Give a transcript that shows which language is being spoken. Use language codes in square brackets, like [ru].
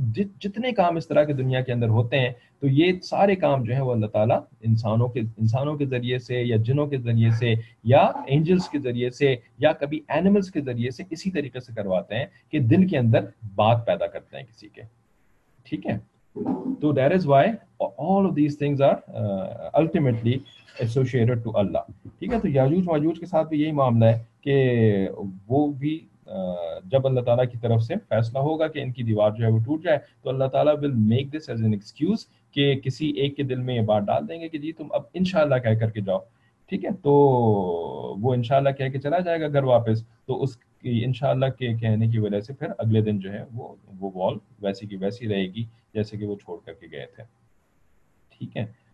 [ur] جتنے کام اس طرح کے دنیا کے اندر ہوتے ہیں تو یہ سارے کام جو ہیں وہ اللہ تعالیٰ انسانوں کے ذریعے سے یا جنوں کے ذریعے سے یا اینجلس کے ذریعے سے یا کبھی اینیملس کے ذریعے سے اسی طریقے سے کرواتے ہیں کہ دل کے اندر بات پیدا کرتے ہیں کسی کے, ٹھیک ہے. [en] So that is why all of these things are ultimately associated to Allah. [ur] ٹھیک ہے, تو یاجوج ماجوج کے ساتھ بھی یہی معاملہ ہے کہ وہ بھی جب اللہ تعالیٰ کی طرف سے فیصلہ ہوگا کہ ان کی دیوار جو ہے وہ ٹوٹ جائے تو اللہ تعالیٰ [en] will make this as an excuse [ur] کہ کسی ایک کے دل میں یہ بات ڈال دیں گے کہ جی تم اب انشاءاللہ کہہ کر کے جاؤ, ٹھیک ہے. تو وہ انشاءاللہ کہہ کے چلا جائے گا گھر واپس, تو اس انشاءاللہ کے کہنے کی وجہ سے پھر اگلے دن جو ہے وہ وال ویسی کی ویسی رہے گی جیسے کہ وہ چھوڑ کر کے گئے تھے, ٹھیک ہے.